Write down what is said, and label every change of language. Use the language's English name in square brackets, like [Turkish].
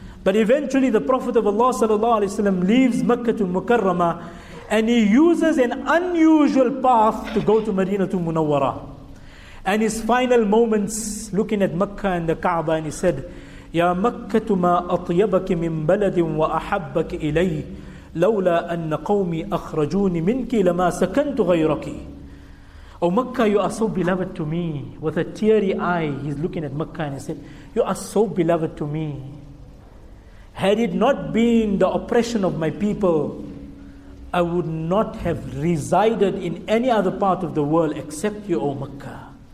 [English] But eventually the Prophet of Allah sallallahu alayhi wasallam leaves Makkah to Mukarramah. And he uses an unusual path to go to Madinah to Munawwara. And his final moments, looking at Makkah and the Kaaba, and he said, [Arabic] Ya Makkah ma atyabaki min baladin wa ahabbaki ilayhi. لولا أن قومي أخرجوني منك لما سكنت غيرك. [English] Oh Makkah, you are so beloved to me. With a teary eye, he's looking at Makkah and he said, You are so beloved to me. Had it not been the oppression of my people, I would not have resided in any other part of the world except you, oh Makkah.